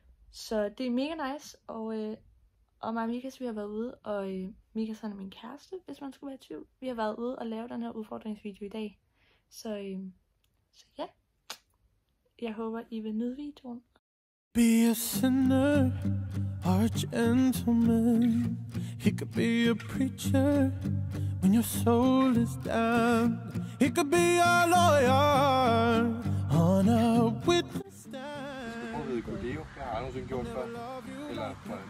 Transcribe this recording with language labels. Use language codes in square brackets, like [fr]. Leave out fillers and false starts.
[da] Så det er mega nice. Og, og mig og Mikas, vi har været ude. Og Mikas er min kæreste, hvis man skulle være i tvivl. Vi har været ude og lave den her udfordringsvideo i dag. Så, så ja. Jeg håber, I vil nyde videoen. [en] Be a sinner, or a gentleman. He could be a preacher when your soul is down. He could be a lawyer on a witness stand. [da] Jeg har aldrig nogensinde gjort før.